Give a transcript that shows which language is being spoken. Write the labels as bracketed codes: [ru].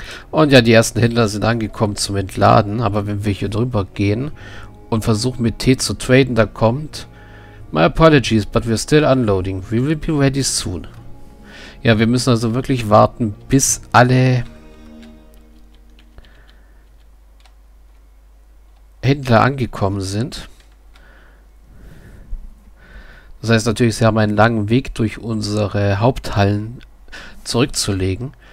[de] Und ja, die ersten Händler sind angekommen zum Entladen, aber wenn wir hier drüber gehen und versuchen mit Tee zu traden, da kommt... [en] My apologies, but we're still unloading. We will be ready soon. [de] Ja, wir müssen also wirklich warten, bis alle Händler angekommen sind. Das heißt natürlich, sie haben einen langen Weg durch unsere Haupthallen zurückzulegen.